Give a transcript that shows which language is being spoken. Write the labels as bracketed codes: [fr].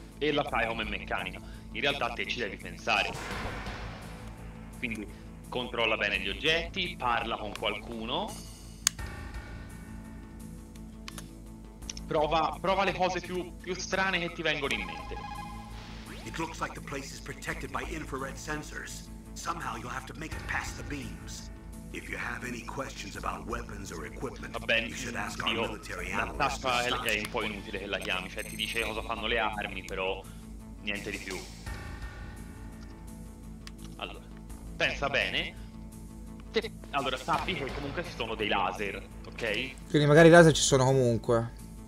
[it] E la fai come meccanica. In realtà te ci devi pensare. Quindi controlla bene gli oggetti, parla con qualcuno. Prova le cose più strane che ti vengono in mente. [en] It looks like the place is protected by infrared sensors. Somehow you'll have to make it past the beams. If you have any questions about weapons or equipment, you should ask our military analyst. [it] Va bene, è un po' inutile che la chiami, cioè ti dice cosa fanno le armi, però niente di più. Allora, pensa bene. Allora, sappi che comunque ci sono dei laser, ok? Quindi magari i laser ci sono comunque.